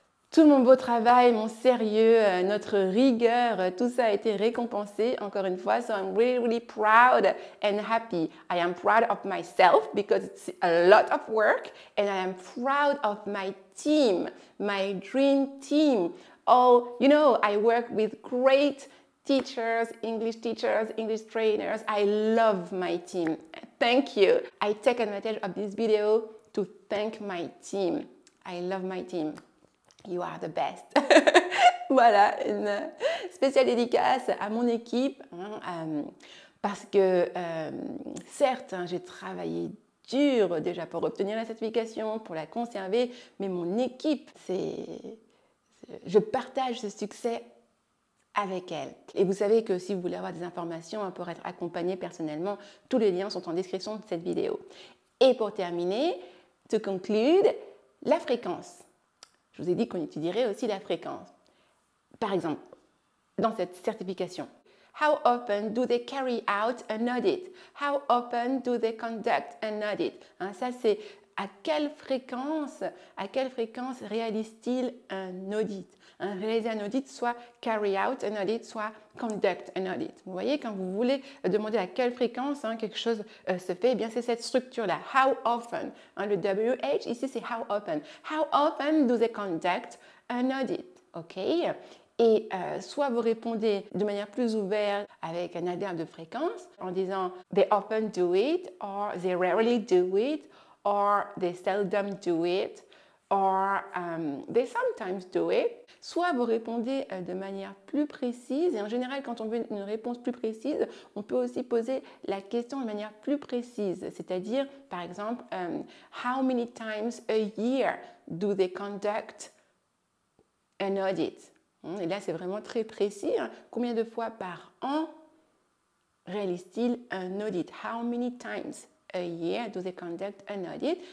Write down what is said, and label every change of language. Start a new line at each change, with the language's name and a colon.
French: Tout mon beau travail, mon sérieux, notre rigueur, tout ça a été récompensé encore une fois.
English: So I'm really, really proud and happy. I am proud of myself because it's a lot of work. And I am proud of my team, my dream team. Oh, you know, I work with great teachers, English trainers. I love my team. Thank you. I take advantage of this video to thank my team. I love my team. You are the best.
French: Voilà, une spéciale dédicace à mon équipe. Parce que, certes, hein, j'ai travaillé dur déjà pour obtenir la certification, pour la conserver, mais mon équipe, je partage ce succès avec elle. Et vous savez que si vous voulez avoir des informations pour être accompagné personnellement, tous les liens sont en description de cette vidéo. Et pour terminer,
English: to conclude,
French: la fréquence. Je vous ai dit qu'on étudierait aussi la fréquence. Par exemple, dans cette certification.
English: How often do they carry out an audit? How often do they conduct an audit?
French: Hein, ça, c'est à quelle fréquence réalisent-ils un audit? Hein, réaliser un audit, soit
English: carry out an audit,
French: soit
English: conduct an audit.
French: Vous voyez, quand vous voulez demander à quelle fréquence hein, quelque chose se fait, eh bien, c'est cette structure-là.
English: How often?
French: Hein, le WH, ici, c'est
English: how often. How often do they conduct an audit? OK?
French: Et soit vous répondez de manière plus ouverte avec un adverbe de fréquence en disant «
English: They often do it
French: » or «
English: They rarely do it
French: » or «
English: They seldom do it
French: » or «
English: They sometimes do it ».
French: Soit vous répondez de manière plus précise. Et en général, quand on veut une réponse plus précise, on peut aussi poser la question de manière plus précise. C'est-à-dire, par exemple, «
English: How many times a year do they conduct an audit ?»
French: Et là, c'est vraiment très précis. Hein. Combien de fois par an réalise-t-il un audit?
English: How many times a year do they conduct an audit?